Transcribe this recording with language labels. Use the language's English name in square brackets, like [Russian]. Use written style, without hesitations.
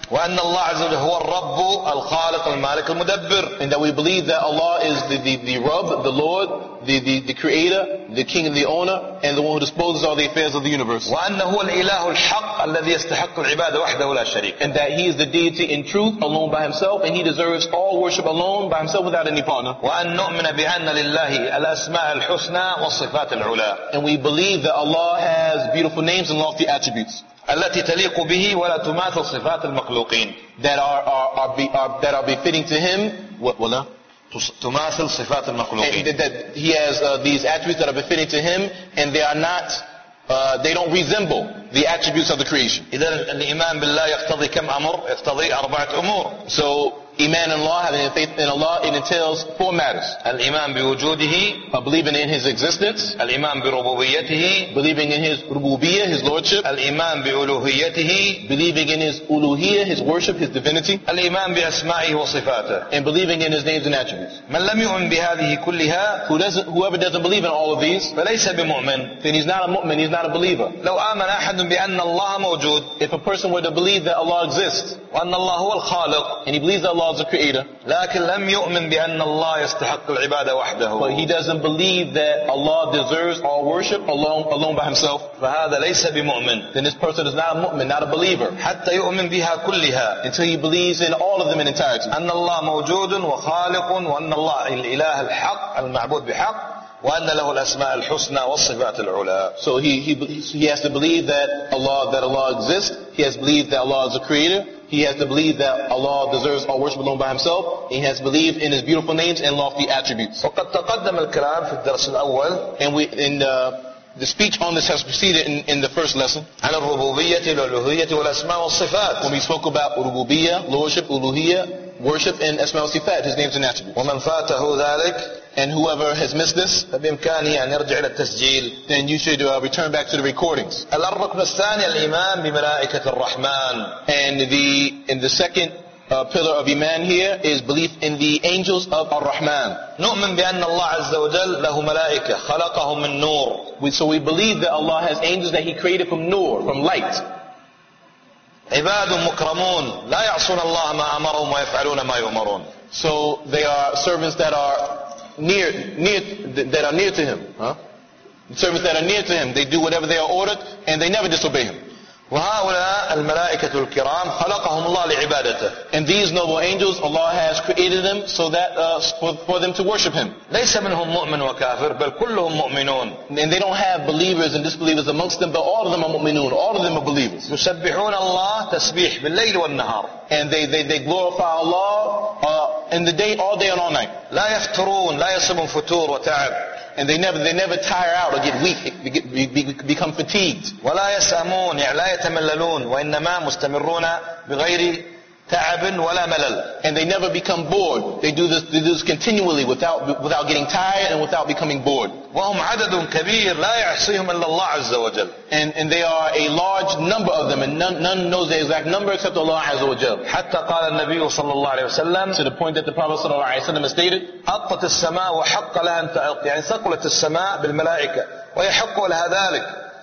[Arabic] وأن الله عز وجل هو الرب الخالق المالك المدبر. [English] And that we believe that Allah is the Rabb, the Lord, the Creator, the King and the Owner, and the one who disposes all the affairs of the universe. [Arabic] وأن هو الإله الحق الذي يستحق العبادة وحده لا شريك. [English] And that He is the deity in truth alone by Himself, and He deserves all worship alone by Himself without any partner. [Arabic] وأن نؤمن بأن لله الأسماء الحسنى والصفات العلى. [English] And we believe that Allah has beautiful names and lofty attributes. [Arabic] التي تليق به ولا تماثل صفات المخلوقين. [English] That are befitting to him. [Arabic] ولا تماثل صفات المخلوقين. [English] That he has these attributes that are befitting to him, and they are not, they don't resemble the attributes of the creation. [Arabic] إذا الإيمان بالله يقتضي كم أمر؟ يقتضي أربعة أمور. [English] So iman in Allah, having faith in Allah, it entails four matters. [Arabic] الإيمان بوجوده. [English] Believing in His existence. [Arabic] الإيمان بربوبيته. [English] Believing in His ربوبية, His lordship. [Arabic] الإيمان بألوهيته. [English] Believing in His ألوهية, His worship, His divinity. [Arabic] الإيمان بأسمائه وصفاته. [English] And believing in His names and attributes. [Arabic] من لم يؤمن بهذه كلها. [English] Whoever doesn't believe in all of these. [Arabic] فليس بمؤمن. [English] Then he's not a mu'min, he's not a believer. [Arabic] لو آمن أحد بأن الله موجود. [English] If a person were to believe that Allah exists. [Arabic] وأن الله هو الخالق. [English] And he believes that Allah is the creator. [Arabic] لكن لم يؤمن بأن الله يستحق العبادة وحده. [English] But he doesn't believe that Allah deserves all worship alone by himself. [Arabic] فهذا ليس بمؤمن. [English] Then this person is not a mu'min, not a believer. [Arabic] حتى يؤمن بها كلها. [English] Until he believes in all of them in entirety. [Arabic] أن الله موجود وخالق وأن الله الإله الحق المعبود بحق وأن له الأسماء الحسنى والصفات العلى. [English] So he has to believe that Allah exists. He has to believe that Allah is the creator. He has to believe that Allah deserves all worship alone by himself. He has to believe in his beautiful names and lofty attributes. [Arabic] وقد تقدم الكلام في الدرس الأول. [English] And we in the The speech on this has preceded in the first lesson. [Arabic] عن الربوبية والألوهية والأسماء والصفات. [English] When we spoke about ربوبية, lordship, ألوهية, worship in [Arabic] أسماء وصفات, [English] his names and attributes. [Arabic] ومن فاته ذلك. [English] And whoever has missed this, [Arabic] فبإمكانه أن يرجع إلى التسجيل. [English] Then you should return back to the recordings. [Arabic] الركن الثاني الإيمان بملائكة الرحمن. [English] And the second. A pillar of Iman here is belief in the angels of Ar-Rahman. [Arabic] نؤمن بأن الله عز وجل له ملائكة خلقهم من نور. [English] So we believe that Allah has angels that He created from nur, from light. [Arabic] عباد مكرمون لا يعصون الله ما أمرهم ويفعلون ما يؤمرون. [English] So they are servants that are near to Him. Huh? Servants that are near to Him, they do whatever they are ordered and they never disobey Him. [Arabic] وهؤلاء الملائكة الكرام خلقهم الله لعبادته. [English] And these noble angels, Allah has created them so that for them to worship Him. [Arabic] ليس منهم مؤمن وكافر بل كلهم مؤمنون. [English] And they don't have believers and disbelievers amongst them, but all of them are مؤمنون. All of them are believers. [Arabic] يسبحون الله تسبيح بالليل والنهار. [English] And they glorify Allah in the day, all day and all night. [Arabic] لا يفترون لا يصيبهم فتور وتعب. [English] And they never tire out or get weak, become fatigued. [Arabic] ولا يسأمون يعني لا يتمللون وإنما مستمرون بغير تعب ولا ملل. [English] And they never become bored. They do this continually without getting tired and without becoming bored. [Arabic] وهم عدد كبير لا يحصيهم إلا الله عز وجل. [English] And they are a large number of them, and none knows the exact number except Allah [Arabic] عز وجل. حتى قال النبي صلى الله عليه وسلم. [English] To the point that the Prophet [Arabic] صلى الله عليه وسلم [English] stated. [Arabic] أطت السماء وحق لها أن تألق. يعني ثقلت السماء بالملائكة ويحق لها ذلك.